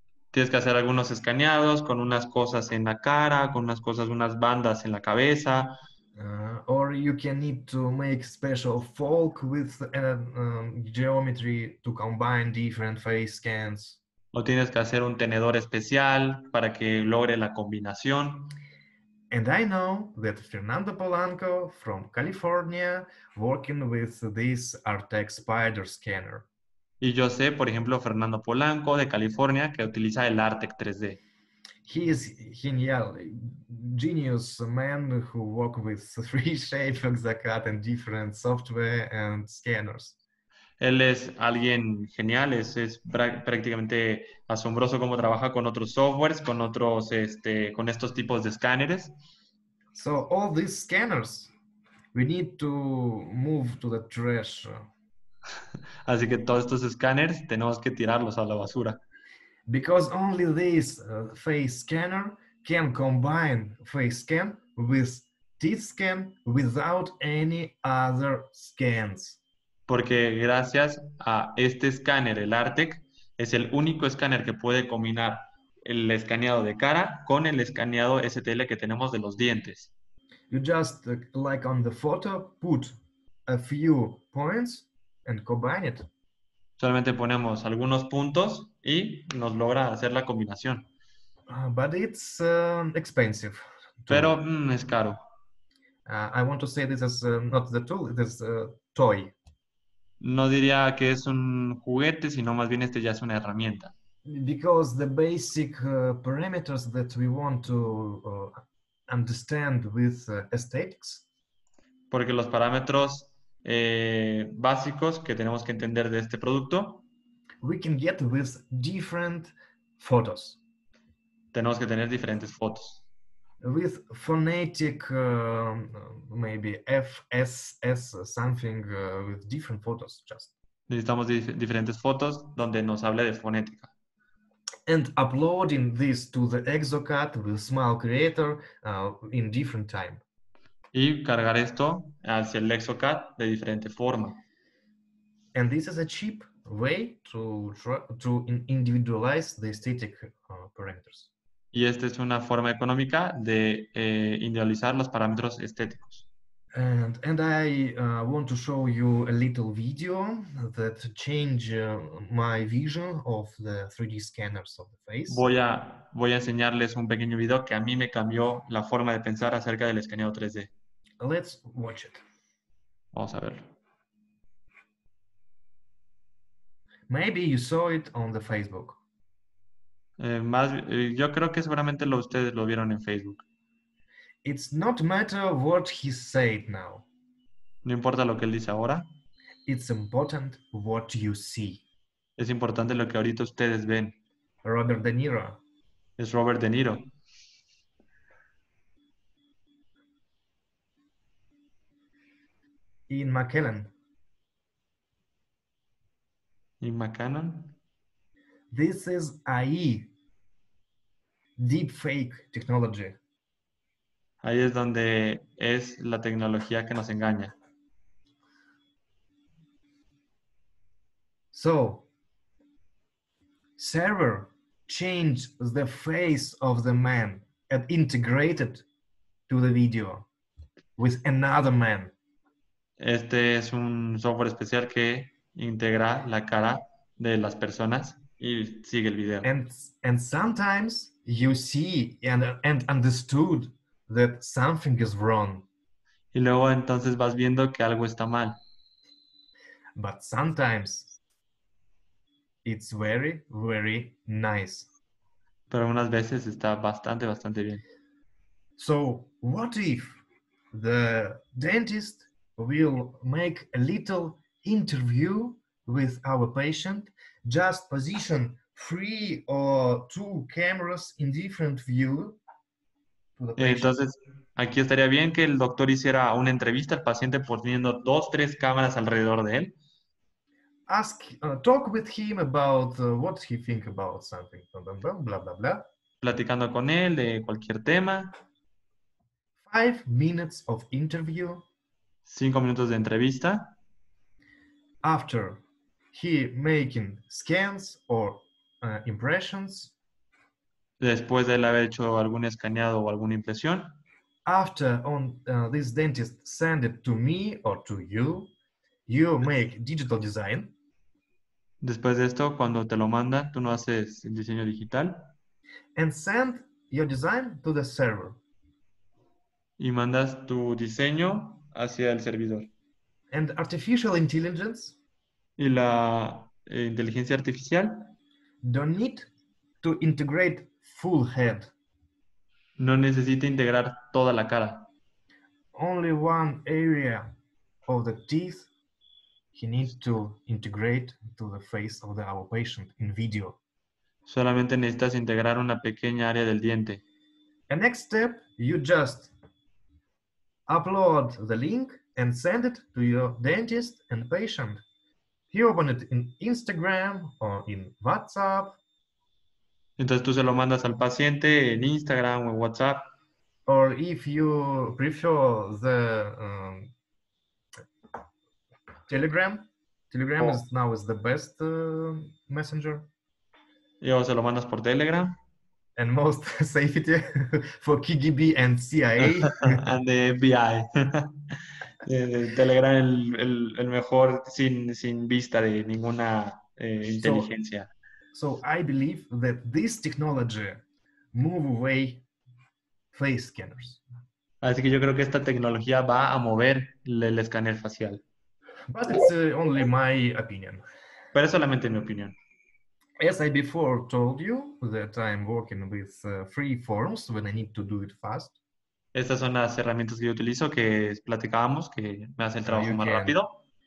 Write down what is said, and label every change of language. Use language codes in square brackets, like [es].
[es] Tienes que hacer algunos escaneados con unas cosas en la cara, con unas cosas, unas bandas en la cabeza. [en] Or you can need to make special folk with geometry to combine different face scans. [es] O tienes que hacer un tenedor especial para que logre la combinación. [en] And I know that Fernando Polanco from California working with this Artex Spider Scanner. [es] Y yo sé, por ejemplo, Fernando Polanco de California que utiliza el Artex 3D. [en] He is genial, genius man who work with 3Shape, Exacad and different software and scanners. [es] Él es alguien genial, es prácticamente asombroso cómo trabaja con otros softwares, con otros con estos tipos de escáneres. [en] So all these scanners we need to move to the trash. [es] Así que todos estos escáneres tenemos que tirarlos a la basura. [en] Because only this face scanner can combine face scan with teeth scan without any other scans. [es] Porque gracias a este escáner, el Artec, es el único escáner que puede combinar el escaneado de cara con el escaneado STL que tenemos de los dientes. [en] You just, like on the photo, put a few points and combine it. [es] Solamente ponemos algunos puntos y nos logra hacer la combinación. [en] But it's expensive. [es] Pero es caro. [en] I want to say this is not the tool, it is a toy. [es] No diría que es un juguete, sino más bien este ya es una herramienta. [en] Because the basic parameters that we want to understand with aesthetics. [es] Porque los parámetros básicos que tenemos que entender de este producto. [en] We can get with different photos. [es] Tenemos que tener diferentes fotos. [en] With phonetic, maybe FSS, something with different photos, just. [es] Necesitamos diferentes fotos donde nos hable de fonética. [en] And uploading this to the ExoCAD with Smile Creator in different time. [es] Y cargar esto hacia el ExoCAD de diferente forma. [en] And this is a cheap way to individualize the aesthetic parameters. [es] Y esta es una forma económica de individualizar los parámetros estéticos. [en] And I want to show you a little video that changed my vision of the 3D scanners of the face. [es] Voy a enseñarles un pequeño video que a mí me cambió la forma de pensar acerca del escaneo 3D. [en] Let's watch it. [es] Vamos a verlo. [en] Maybe you saw it on the Facebook. [es] Yo creo que seguramente ustedes lo vieron en Facebook. [en] It's not matter what he said now. [es] No importa lo que él dice ahora. [en] It's important what you see. [es] Es importante lo que ahorita ustedes ven. [en] Robert De Niro. [es] Es Robert De Niro. [en] Ian McKellen. [es] Ian McKellen. [en] This is AI. Deep fake technology. [es] Ahí es donde es la tecnología que nos engaña. [en] So, server changed the face of the man and integrated to the video with another man. [es] Este es un software especial que integra la cara de las personas y sigue el video. [en] And sometimes you see and understood that something is wrong. [es] Y luego entonces vas viendo que algo está mal. [en] But sometimes it's very, very nice. [es] Pero unas veces está bastante, bastante bien. [en] So, what if the dentist will make a little interview with our patient, just position 3 or 2 cameras in different view to the patient? [es] Entonces, aquí estaría bien que el doctor hiciera una entrevista al paciente poniendo 2, 3 cámaras alrededor de él. [en] Talk with him about what he think about something, blah, blah, blah. [es] Platicando con él de cualquier tema. [en] 5 minutes of interview. [es] 5 minutos de entrevista. [en] After he making scans or impressions. [es] Después de él haber hecho algún escaneado o alguna impresión. [en] After this dentist send it to me or to you, you make digital design. [es] Después de esto, cuando te lo manda, tú no haces el diseño digital. [en] And send your design to the server. [es] Y mandas tu diseño hacia el servidor. [en] And artificial intelligence. [es] Y la inteligencia artificial. [en] Don't need to integrate full head. [es] No necesita integrar toda la cara. [en] Only one area of the teeth. He needs to integrate to the face of our patient in video. [es] Solamente necesitas integrar una pequeña área del diente. [en] The next step, you just upload the link and send it to your dentist and patient. He open it in Instagram or in WhatsApp. [es] Entonces tú se lo mandas al paciente en Instagram o en WhatsApp. [en] Or if you prefer the Telegram is the best messenger. [es] Yo se lo mandas por Telegram. [en] And most safety for KGB and CIA. And the FBI. [es] Telegram el mejor sin vista de ninguna inteligencia. [en] So I believe that this technology move away face scanners. [es] Así que yo creo que esta tecnología va a mover el escáner facial. [en] But it's only my opinion. [es] Pero es solamente mi opinión. [en] As I before told you, that I'm working with free forms when I need to do it fast. [es] Estas son las herramientas que yo utilizo, que platicábamos, que me hacen el trabajo más rápido.